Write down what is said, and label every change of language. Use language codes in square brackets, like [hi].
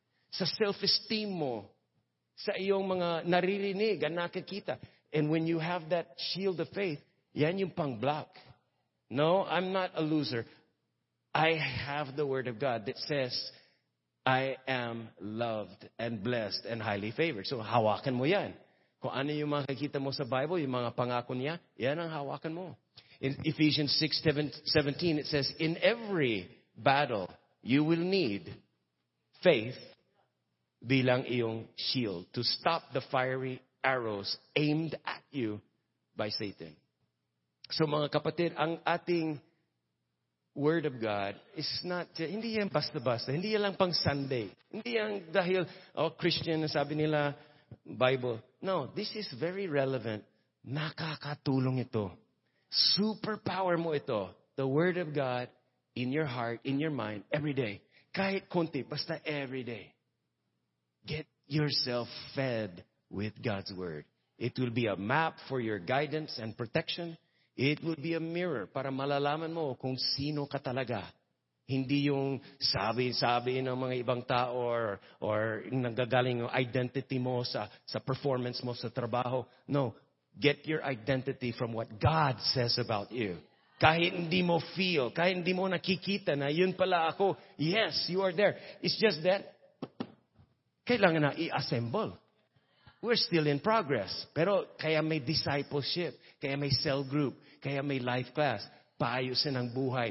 [tl] sa self-esteem mo, sa iyong mga naririnig, nakikita. [en] And when you have that shield of faith, [tl] yan yung pang-block. [en] No, I'm not a loser. I have the Word of God that says, I am loved and blessed and highly favored. [tl] So, hawakan mo yan. Kung ano yung mga kikita mo sa Bible, yung mga pangako niya, yan ang hawakan mo. [en] In Ephesians 6:17, it says, in every battle, you will need faith [tl] bilang iyong [en] shield to stop the fiery arrows aimed at you by Satan. [tl] So mga kapatid, ang ating Word of God [en] is not, [tl] hindi yan basta-basta, hindi yan lang pang Sunday. Hindi yan dahil, oh Christian, sabi nila, Bible. [en] No, this is very relevant. [tl] Nakakatulong ito. Superpower mo ito. [en] The Word of God in your heart, in your mind, every day. [tl] Kahit konti, basta [en] every day. Get yourself fed with God's Word. It will be a map for your guidance and protection. It will be a mirror [tl] para malalaman mo kung sino ka talaga. Hindi yung sabi-sabi ng mga ibang tao or nanggagaling yung identity mo sa performance mo sa trabaho. [en] No, get your identity from what God says about you. [tl] Kahit hindi mo feel, kahit hindi mo nakikita na yun pala ako, [en] yes, you are there. It's just that, [tl] kailangan na i-assemble. [en] We're still in progress. [tl] Pero kaya may discipleship, kaya may cell group, kaya may life class, paayusin ang buhay.